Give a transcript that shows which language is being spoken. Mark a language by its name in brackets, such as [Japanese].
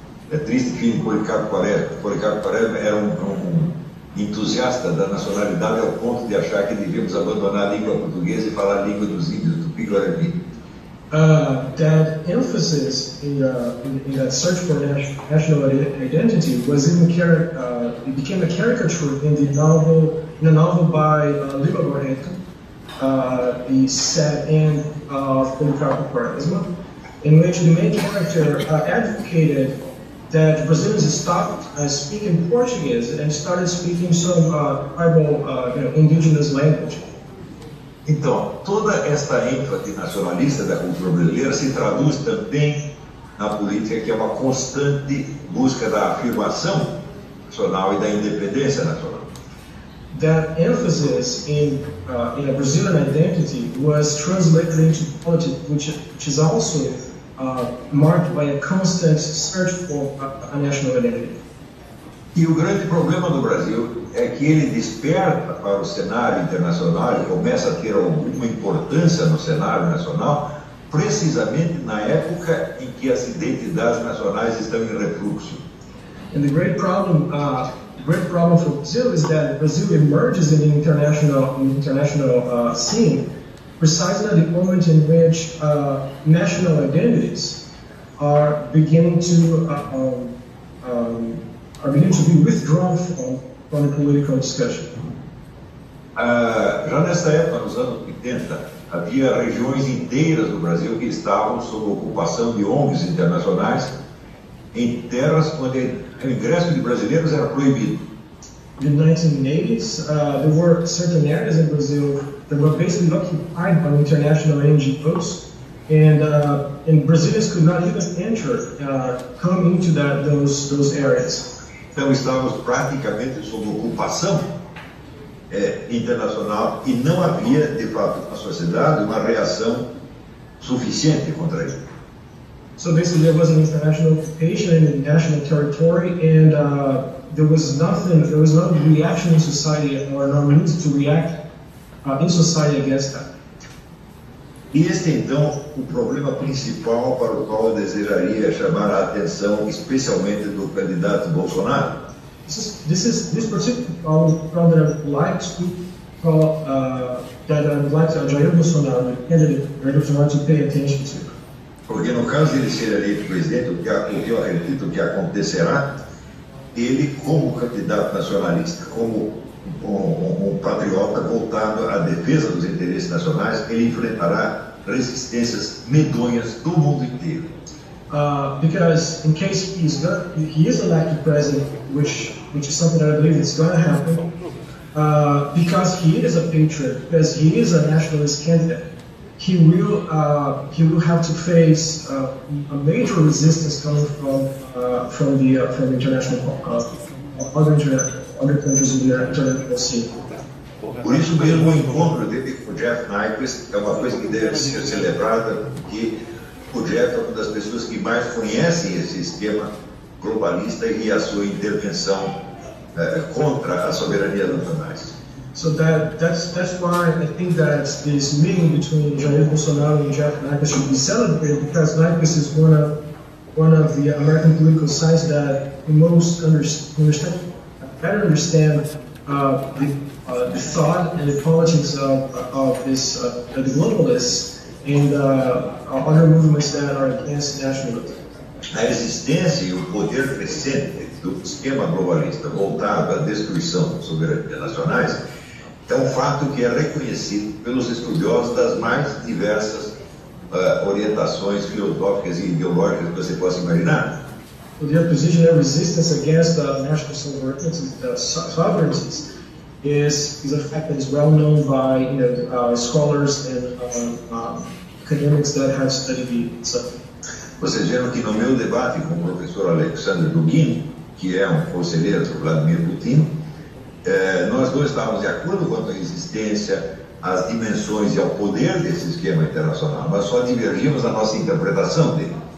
[Portuguese] É triste que Policarpo Quaresma era um entusiasta da nacionalidade ao ponto de achar que devíamos abandonar a língua portuguesa e falar a língua dos índios, Tupi-Guarani. [English] That emphasis in that search for national identity was even it became a caricature in a novel by Lima Barreto, the set end of Policarpo Quaresma, in which the main character advocated that Brazilians stopped speaking Portuguese and started speaking some tribal, you know, indigenous language. [Portuguese] Então, toda esta ênfase nacionalista da cultura brasileira se traduz também na política, que é uma constante busca da afirmação nacional e da independência nacional. [English] That emphasis in a Brazilian identity was translated into politics, which is also marked by a constant search for a national identity. [Portuguese] E o grande problema do Brasil é que ele desperta para o cenário internacional e começa a ter alguma importância no cenário nacional precisamente na época em que as identidades nacionais estão em refluxo. [English] And the great problem for Brazil is that Brazil emerges in the international scene precisely at the moment in which national identities are beginning to be withdrawn from the political discussion. [Portuguese] Já nessa época, nos anos 80, havia regiões inteiras do Brasil que estavam sob ocupação de ONGs internacionais em terras onde o ingresso de brasileiros era proibido. [English] In the 1980s, there were certain areas in Brazil that were basically occupied by international NGOs, and Brazilians could not even come into those areas. [Portuguese] Então estávamos praticamente sob ocupação internacional e não havia, de fato, na sociedade uma reação suficiente contra isso. [English] So basically there was an international occupation in the national territory and there was no reaction in society or no need to react in society against that. [Portuguese] E este é então o problema principal para o qual eu desejaria chamar a atenção, especialmente do candidato Bolsonaro. [English] This particular problem that I would like to call that I would like Jair Bolsonaro, the candidate, Jair Bolsonaro, to pay attention to. [Portuguese] Porque no caso de ele ser eleito presidente, o que eu acredito que acontecerá, ele como candidato nacionalista, como um patriota voltado à defesa dos interesses nacionais, ele enfrentará resistências medonhas do mundo inteiro. [English] Because in case he is elected president, which is something that I believe is going to happen, because he is a patriot, because he is a nationalist candidate, he will have to face a major resistance coming from the international other countries in the international scene. [Portuguese] Por isso mesmo, o encontro dele com o Jeff Nyquist é uma coisa que deve ser celebrada, porque o Jeff é uma das pessoas que mais conhecem esse esquema globalista e a sua intervenção contra a soberania dos nacionais. [English] So that's why I think that this meeting between Jair Bolsonaro and Jeff Nyquist should be celebrated, because Nyquist is one of the American political sides that most better understand the thought and the politics of the globalists and other movements that are against nationalism. [Portuguese] A existência e o poder crescente do esquema globalista voltado à destruição de soberanias nacionais é um fato que é reconhecido pelos estudiosos das mais diversas orientações filosóficas e ideológicas que você possa imaginar. [English] The opposition and resistance against national sovereignty is a fact that is well known by scholars and academics that have studied the subject. [Portuguese] Vocês viram que no meu debate com o professor Alexander Dugin, que é um conselheiro do Vladimir Putin, nós dois estávamos de acordo quanto à existência, às dimensões e ao poder desse esquema internacional, mas só divergimos na nossa interpretação dele.